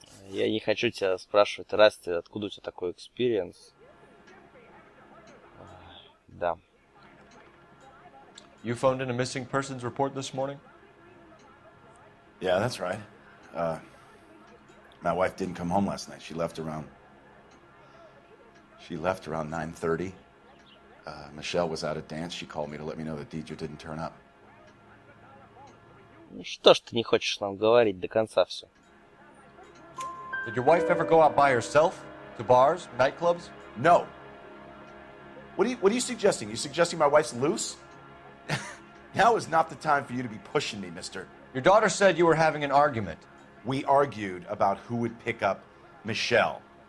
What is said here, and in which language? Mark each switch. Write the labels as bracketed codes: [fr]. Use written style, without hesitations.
[ru] Я не хочу тебя спрашивать, Расти, откуда у тебя такой experience? Да. [en] You phoned in a missing persons report this morning? Yeah, that's right. My wife didn't come home last night. She left around 9:30. Michelle was out at dance. She called me to let me know that Deidre didn't turn up. [ru] Ну что ж ты не хочешь нам говорить до конца все? [en] Did your wife ever go out by herself? To bars? Nightclubs? No. What are you suggesting? You suggesting my wife's loose? Now is not the time for you to be pushing me, mister. Your daughter said you were having an argument. We argued about who would pick up Michelle.